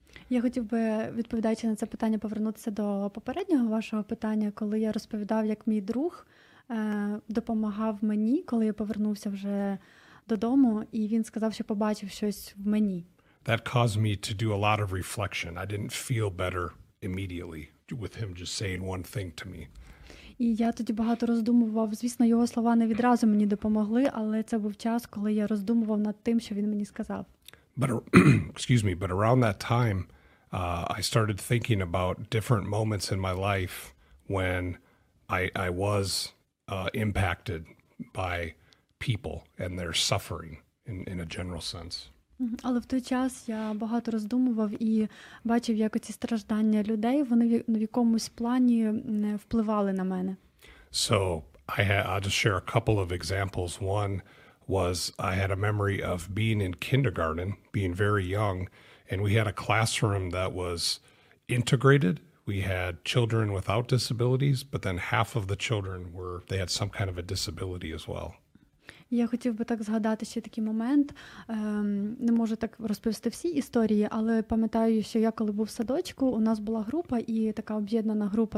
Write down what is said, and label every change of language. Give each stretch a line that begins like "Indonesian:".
Ukrainian: Я хотів би, відповідаючи на це питання, повернутися до попереднього вашого питання, коли я розповідав, як мій друг допомагав мені, коли я повернувся вже додому, і він сказав, що побачив щось в мені.
English: That caused me to do a lot of reflection. I didn't feel better immediately with him just saying one thing to me.
Ukrainian: І я тоді багато роздумував. Звісно, його слова не відразу мені допомогли, але це був час, коли я роздумував над тим, що він мені сказав.
English: But around that time, I started thinking about different moments in my life when I was impacted by people and their suffering in a general sense.
Ukrainian: Але в той час я багато роздумував і бачив, як оці страждання людей, вони в якомусь плані впливали на мене.
English: So, I'll just share a couple of examples. One was I had a memory of being in kindergarten, being very young, and we had a classroom that was integrated. We had children without disabilities, but then half of the children they had some kind of a disability as well.
Ukrainian: Я хотів би так згадати ще такий момент. Не можу так розповісти всі історії, але пам'ятаю, що я коли був в садочку, у нас була група і така об'єднана група.